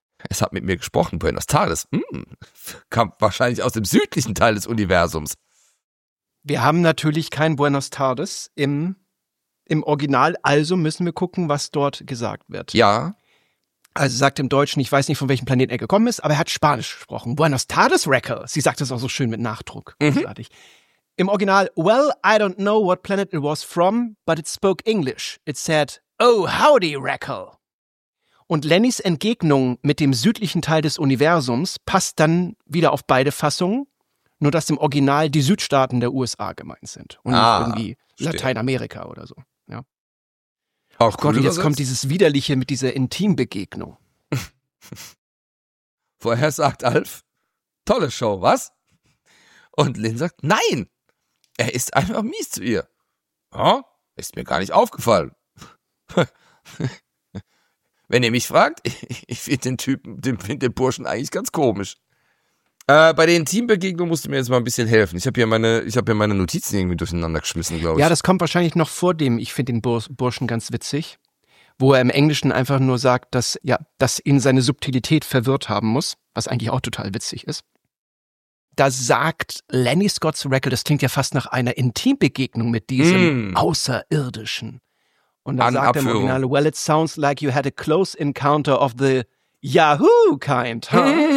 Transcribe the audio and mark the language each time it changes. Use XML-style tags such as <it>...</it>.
<de>Es hat mit mir gesprochen,</de> <es>Buenos Tardes.</es> <de>Kam wahrscheinlich aus dem südlichen Teil des Universums. Wir haben natürlich kein</de> <es>Buenos Tardes</es> <de>im Original, also müssen wir gucken, was dort gesagt wird. Ja. Also sagt im Deutschen, ich weiß nicht, von welchem Planeten er gekommen ist, aber er hat Spanisch gesprochen.</de> <es>Buenos Tardes,</es> <de>Rekkel. Sie sagt das auch so schön mit Nachdruck. Großartig. Im Original,</de> <en>well, I don't know what planet it was from, but it spoke English. It said, oh, howdy, Rekkel.</en> <de>Und Lennys Entgegnung mit dem südlichen Teil des Universums passt dann wieder auf beide Fassungen, nur dass im Original die Südstaaten der USA gemeint sind und nicht irgendwie Lateinamerika oder so. Ja. Auch cool, Gott, jetzt kommt dieses Widerliche mit dieser Intimbegegnung. Vorher sagt Alf, tolle Show, was? Und Lynn sagt, nein, er ist einfach mies zu ihr. Oh, ist mir gar nicht aufgefallen. Wenn ihr mich fragt, ich finde den Typen, den Burschen eigentlich ganz komisch. Bei der Intimbegegnung musst du mir jetzt mal ein bisschen helfen. Ich habe hier meine Notizen irgendwie durcheinander geschmissen, glaube ich. Ja, das kommt wahrscheinlich noch vor dem, ich finde den Burschen ganz witzig, wo er im Englischen einfach nur sagt, dass ja, das ihn seine Subtilität verwirrt haben muss, was eigentlich auch total witzig ist. Da sagt Lenny Scott's Rekkel, das klingt ja fast nach einer Intimbegegnung mit diesem Außerirdischen. Und dann sagt Abführung. Im Original,</de> <en>well, it sounds like you had a close encounter of the Yahoo kind, huh?</en>